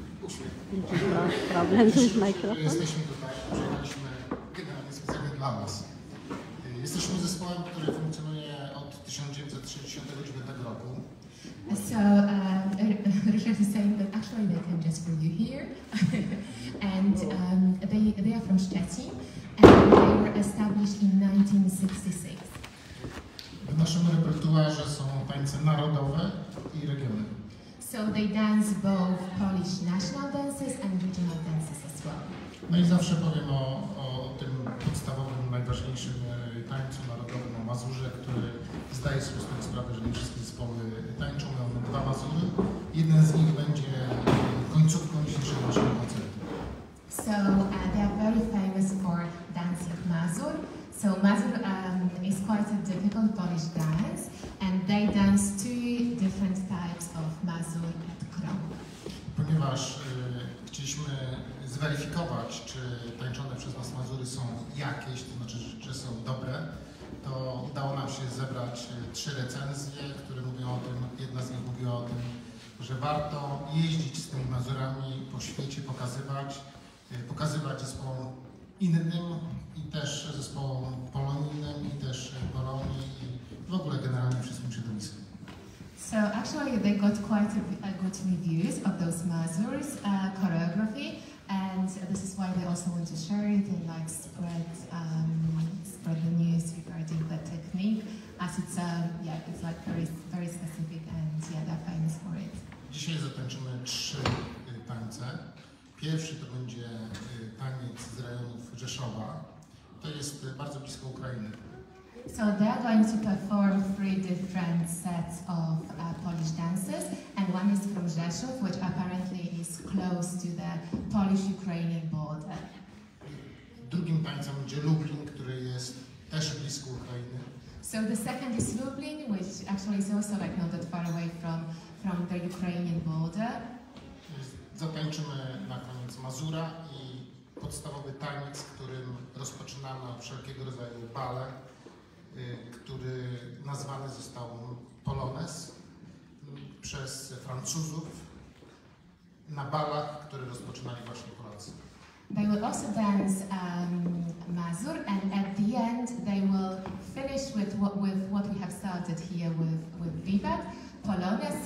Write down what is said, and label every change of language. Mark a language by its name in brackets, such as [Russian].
[Polish] Jesteśmy tutaj, przyjechaliśmy generalnie specjalnie dla Was. Jesteśmy zespołem, który funkcjonuje od 1969 roku. [English] So, Richard is saying that actually they came just for you here. And they are from Szczecin. And they were established in 1966. [Polish] W naszym repertuarze są tańce narodowe i regiony. [English] So they dance both Polish national dances and regional dances as well. [Polish] No i zawsze powiem o tym podstawowym, najważniejszym tańcu narodowym, o Mazurze, który zdaje sobie z tego sprawę, że nie wszystkie zespoły tańczą. Mamy dwa Mazury. Jeden z nich będzie końcówką dzisiejszego naszego koncertu. [English] So they are very famous for dancing Mazur. So Mazur is quite a difficult Polish dance. And they dance two different types of Mazur at Krąg. [Polish] Ponieważ chcieliśmy zweryfikować, czy tańczone przez nas Mazury są jakieś, to znaczy, czy są dobre, to udało nam się zebrać trzy recenzje, które mówią o tym, jedna z nich mówiła o tym, że warto jeździć z tymi Mazurami po świecie, pokazywać zespołom innym i też zespołom polonijnym i też Polonii i w ogóle generalnie wszystkim środowiskom. [English] So actually they got quite a good reviews of those Mazur's choreography, and this is why they also want to share it and like spread the news regarding the technique, as it's yeah, it's like very, very specific, and yeah, they're famous for it. [Polish] Dzisiaj zatańczymy trzy tańce. Pierwszy to będzie taniec z rejonów Rzeszowa. To jest bardzo blisko Ukrainy. [English] So they are going to perform three different sets of Polish dances, and one is from Rzeszów, which apparently is close to the Polish-Ukrainian border. [Polish] Drugim tańcem będzie Lublin, który jest też blisko Ukrainy. [English] So the second is Lublin, which actually is also like not that far away from the Ukrainian border. [Polish] Zatańczymy na koniec Mazura i podstawowy taniec, którym rozpoczynamy wszelkiego rodzaju bale, który nazwany został Polonez przez Francuzów na balach, które rozpoczynali właśnie Polacy. [English] They will also dance Mazur, and at the end they will finish with what we have started here with Vivat, Polonez.